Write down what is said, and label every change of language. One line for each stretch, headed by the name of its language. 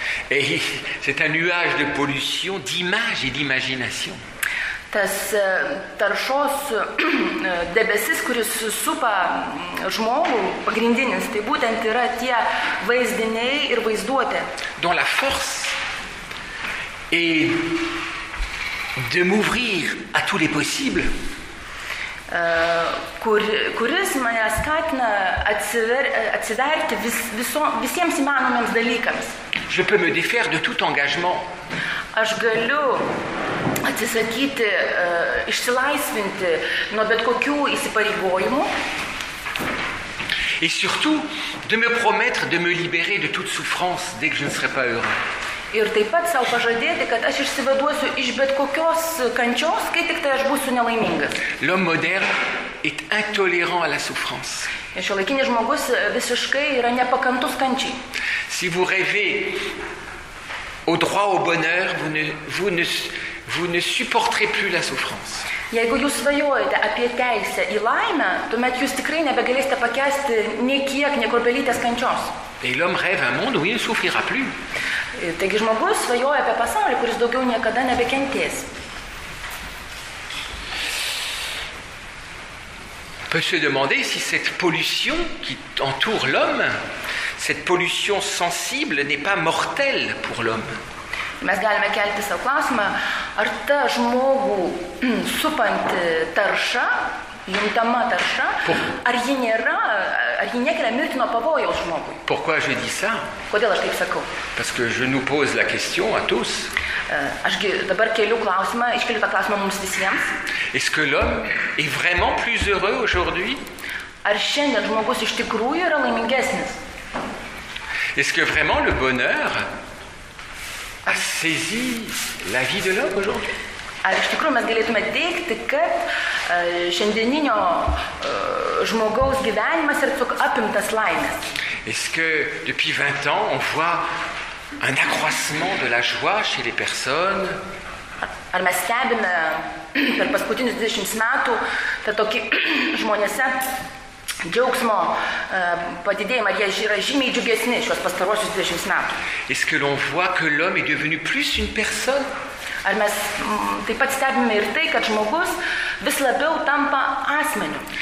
French: Et c'est un nuage de pollution, d'image et d'imagination.
Lithuanian: tas taršos debesis, kuris supa žmogų, pagrindinis, tai būtent yra tie vaizdiniai ir vaizduotė.
French: Dont la force est de m'ouvrir à tous les possibles.
Lithuanian: Kuris mane skatina atsiverti visiems įmanomiems dalykams.
French: Je peux me défaire de tout engagement.
Lithuanian: Aš galiu atsisakyti, išsilaisvinti nuo bet kokių įsipareigojimų.
French: Et surtout de me promettre de me libérer de toute souffrance dès que je ne serai pas heureux.
Lithuanian: Ir taip pat sau pažadėti, kad aš išsivaduosiu iš bet kokios kančios, kai tik tai aš būsiu nelaimingas.
French: L'homme moderne est intolérant à la souffrance.
Lithuanian: Ir šiuolaikinis žmogus visiškai yra nepakantus kančiai.
French: Si vous rêvez au droit au bonheur, vous ne supporterez plus la souffrance.
Lithuanian: Jeigu jūs svajojate apie teisę į laimę, tuomet jūs tikrai nebegalėsite pakęsti nei kiek, nei kruopelytės kančios.
French: Et l'homme rêve un monde où il ne souffrira plus.
Lithuanian: Taigi žmogus svajoja apie pasaulį, kuris daugiau niekada nebekentės.
French: Peut se demander si cette pollution qui entoure l'homme, cette pollution sensible n'est pas mortelle pour l'homme.
Lithuanian: Mes galime kelti savo klausimą, ar ta žmogų supanti tarša, juntama tarša, ar ji nekelia mirtino pavojaus žmogui?
French: Pourquoi je dis ça?
Lithuanian: Kodėl aš taip sakau?
French: Parce que je nous pose la question à tous.
Lithuanian: Ašgi dabar keliu klausimą, iškeliu tą klausimą mums visiems.
French: Est-ce que l'homme est vraiment plus heureux aujourd'hui?
Lithuanian: Ar šiandien žmogus iš tikrųjų yra laimingesnis?
French: Est-ce que vraiment le bonheur a saisi la vie de l'homme aujourd'hui?
Lithuanian: Ar iš tikrųjų mes galėtume teikti, kad šiandieninio žmogaus gyvenimas yra tiesiog apimtas laimės?
French: Est-ce que depuis 20 ans on voit un accroissement de la joie chez les personnes?
Lithuanian: Ar mes stebime per paskutinius 20 metų tą tokį žmonėse džiaugsmo padidėjimą, ar jie yra žymiai džiugesni šios pastaruosius 20 metų?
French: Est-ce que l'on voit que l'homme est devenu plus une personne?
Lithuanian: Ar mes taip pat stebime ir tai, kad žmogus vis labiau tampa asmeniu?